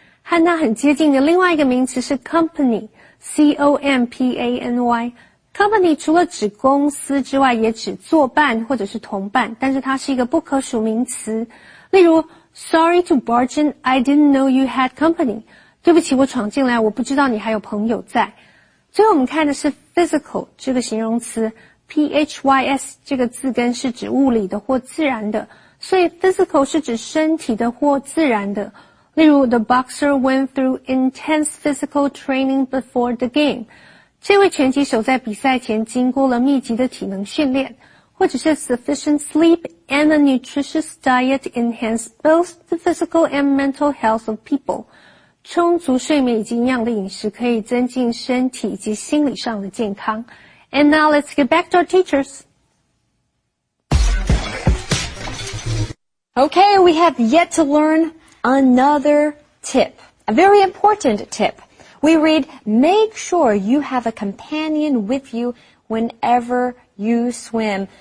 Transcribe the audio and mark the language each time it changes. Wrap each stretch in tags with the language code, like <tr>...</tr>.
<zh>和它很接近的另外一个名词是 company, C-O-M-P-A-N-Y。 Company 除了指公司之外也指作伴或者是同伴，但是它是一个不可数名词。例如</zh> <en>,Sorry to barge in, I didn't know you had company.</en> <zh>对不起我闯进来我不知道你还有朋友在。最后我们看的是 physical, 这个形容词 ,P-H-Y-S, 这个字根是指物理的或自然的。所以 physical 是指身体的或自然的，例如</zh> <en>The boxer went through intense physical training before the game.</en> <zh>这位拳击手在比赛前经过了密集的体能训练，或者是</zh> <en>sufficient sleep and a nutritious diet enhance both the physical and mental health of people.</en> <zh>充足睡眠以及营养的饮食可以增进身体以及心理上的健康。</zh> <en>And now let's get back to our teachers. Okay, we have yet to learn another tip, a very important tip. We read, make sure you have a companion with you whenever you swim.</en>